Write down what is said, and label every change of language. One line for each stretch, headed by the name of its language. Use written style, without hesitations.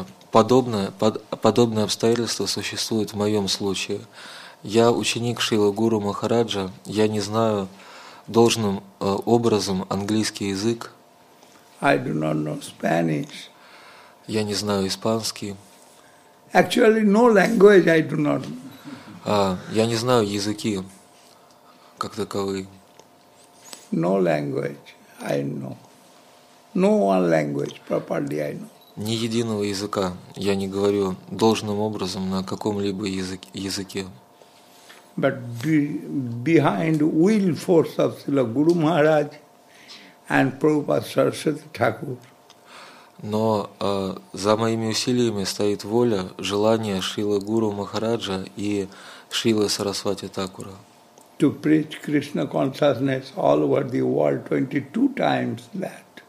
Russian: Подобное обстоятельство существует в моем случае. Я ученик Шрилы Гуру Махараджа, я не знаю должным образом английский язык.
English: I do not know Spanish.
Russian: Я не знаю испанский.
English: Actually, no language I do not.
Russian: Я не знаю языки как таковые.
English: No language I know. No one language properly I know.
Russian: Ни единого языка я не говорю должным образом на каком-либо языке.
English: But behind will force of Srila Guru Maharaj and Prabhupada Saraswati Thakur.
Russian: Но за моими усилиями стоит воля, желание Шрилы Гуру Махараджа и Шрилы Сарасвати Такура.
English: To preach Krishna consciousness all over the world 22 times that.